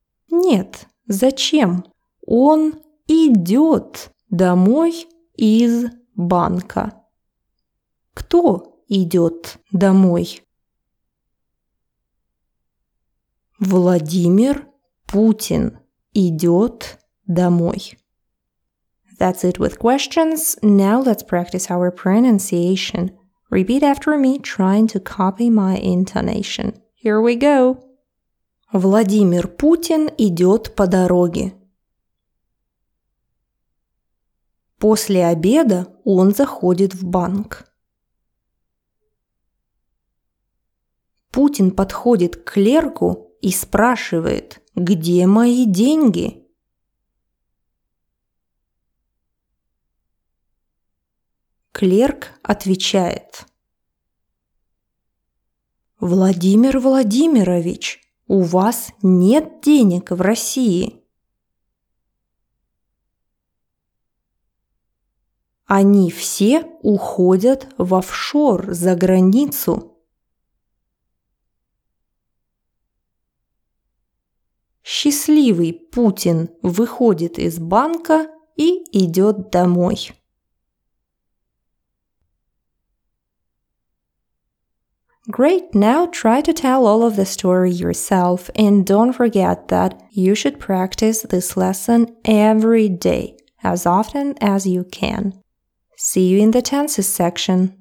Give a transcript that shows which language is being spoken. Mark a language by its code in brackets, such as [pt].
[ru] Нет, зачем? Он идет домой из банка. Кто идет домой? Владимир Путин идет домой. [en] That's it with questions. Now let's practice our pronunciation. Repeat after me, trying to copy my intonation. Here we go. [ru] Владимир Путин идет по дороге. После обеда он заходит в банк. Путин подходит к клерку и спрашивает, где мои деньги? Клерк отвечает. Владимир Владимирович, у вас нет денег в России. Они все уходят в офшор за границу. Счастливый Путин выходит из банка и идет домой. [en] Great, now try to tell all of the story yourself, and don't forget that you should practice this lesson every day, as often as you can. See you in the tenses section.